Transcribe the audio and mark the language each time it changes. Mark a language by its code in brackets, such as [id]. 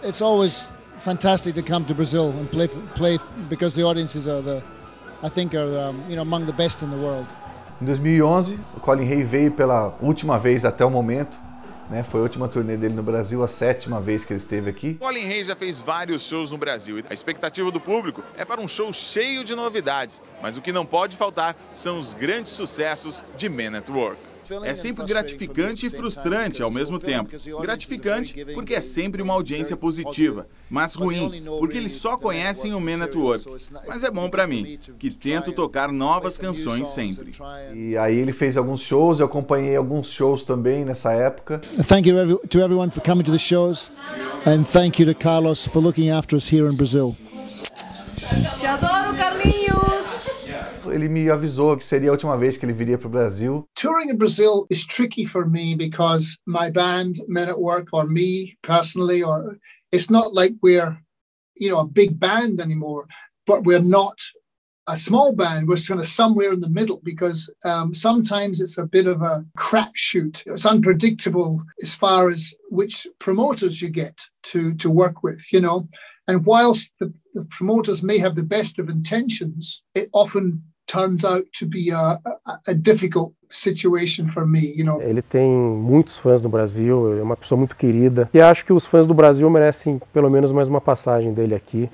[en] It's always fantastic to come to Brazil and play because the audiences are the, I think, are you know, among the best in the world. [pt] Em 2011, o Colin Hay veio pela última vez até o momento. Né, foi a última turnê dele no Brasil, a sétima vez que ele esteve aqui. Colin Hay já fez vários shows no Brasil. A expectativa do público é para um show cheio de novidades. Mas o que não pode faltar são os grandes sucessos de Men at Work. É sempre gratificante e frustrante ao mesmo tempo. Gratificante porque é sempre uma audiência positiva, mas ruim porque eles só conhecem o Men at Work. Mas é bom para mim, que tento tocar novas canções sempre. E aí ele fez alguns shows, eu acompanhei alguns shows também nessa época. [en] Thank you to everyone for coming to the shows and thank you to Carlos for looking after us here in Brazil. [pt] Te adoro, Carlinhos. Ele me avisou que seria a última vez que ele viria para o Brasil. [en] Touring in Brazil is tricky for me because my band, Men at Work, or me personally, or it's not like we're, you know, a big band anymore, but we're not a small band. We're kind of somewhere in the middle because sometimes it's a bit of a crapshoot. It's unpredictable as far as which promoters you get to work with, you know. And whilst the promoters may have the best of intentions, it often turns out to be a difficult situation for me, you know. [pt] Ele tem muitos fãs no Brasil, é uma pessoa muito querida. E acho que os fãs do Brasil merecem pelo menos mais uma passagem dele aqui.